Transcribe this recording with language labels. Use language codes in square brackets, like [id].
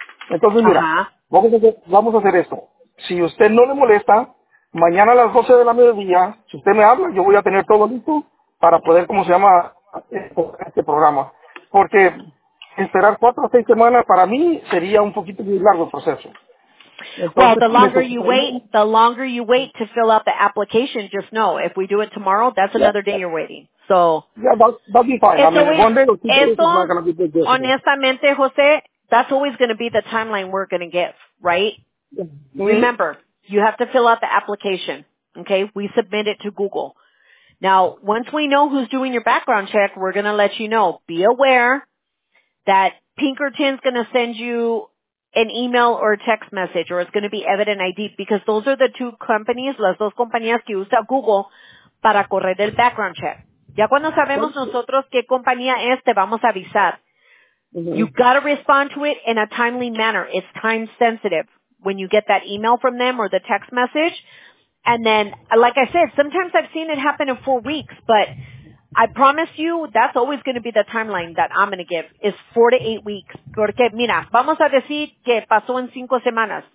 [es] Entonces, mira, vamos a hacer esto. Si usted no le molesta, mañana a las 12 de la mediodía, si usted me habla, yo voy a tener todo listo para poder, ¿cómo se llama?, este programa. Porque esperar 4 o 6 semanas para mí sería un poquito muy largo el proceso. [en] Well, the longer you wait, the longer you wait to fill out the application, just know if we do it tomorrow, that's another day you're waiting. So that'll be fine. Honestamente, Jose, that's always going to be the timeline we're going to give, right? Mm-hmm. Remember, you have to fill out the application, okay? We submit it to Google. Now, once we know who's doing your background check, we're going to let you know. Be aware that Pinkerton's going to send you an email or a text message, or it's going to be Evident ID, because those are the two companies, [es] las dos compañías que usa Google para correr el [en] background check. [es] Ya cuando sabemos nosotros qué compañía es, te vamos a avisar. Mm-hmm. [en] You've got to respond to it in a timely manner. It's time sensitive when you get that email from them or the text message. And then, like I said, sometimes I've seen it happen in 4 weeks, but I promise you that's always going to be the timeline that I'm going to give, is 4 to 8 weeks. [es] Porque, mira, vamos a decir que pasó en 5 semanas.